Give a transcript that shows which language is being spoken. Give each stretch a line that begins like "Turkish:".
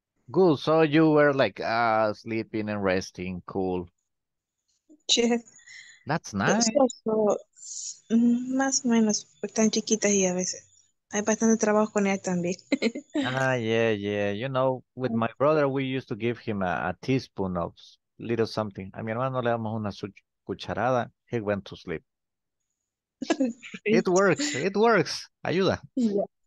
English: Good, so you were like sleeping and resting, cool. Yes. That's nice.
Spanish: So, más o menos, están chiquitas y a veces. Hay bastante trabajo con ella también.
English: yeah. You know, with my brother, we used to give him a teaspoon of little something.
Spanish: A mi hermano le damos una cucharada.
English: He went to sleep. It works.
Spanish: Ayuda.
English: Yeah.